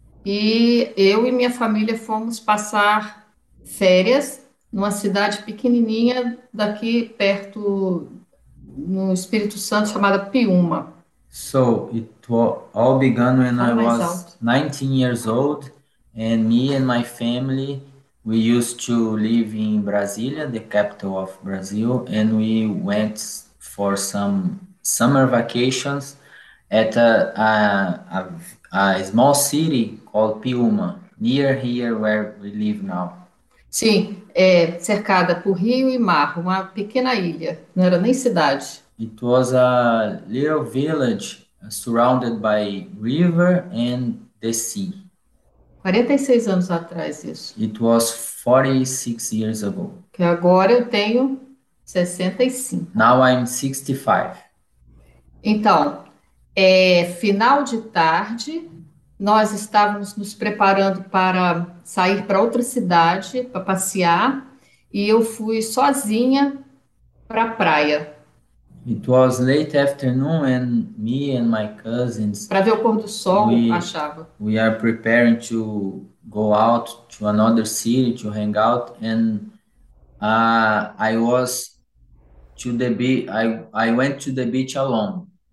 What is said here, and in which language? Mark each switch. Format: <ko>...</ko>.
<pt>E eu e minha família fomos passar férias numa cidade pequenininha daqui perto no Espírito Santo chamada Piúma.</pt> <en>So it all began when I was 19 years old and me and my family We used to live in Brasília, the capital of Brazil, and we went for some summer vacations at a small city called Piúma, near here where we live now.</en> <pt>Sim, é cercada por rio e mar, uma pequena ilha, não era nem cidade.</pt> <en>It was a little village surrounded by river and the sea.</en> <pt>46 anos atrás, isso.</pt> <en>It was 46 years ago.</en> <pt>Que agora eu tenho 65.</pt> <en>Now I'm 65.</en> <pt>Então, final de tarde, nós estávamos nos preparando para sair para outra cidade para passear e eu fui sozinha para a praia</pt> <en>It was late afternoon, and me and my cousins,</en> <pt>para ver o pôr do sol, achava.</pt> <en>we are preparing to go out to another city to hang out. And I was to the be I went to the beach alone.</en>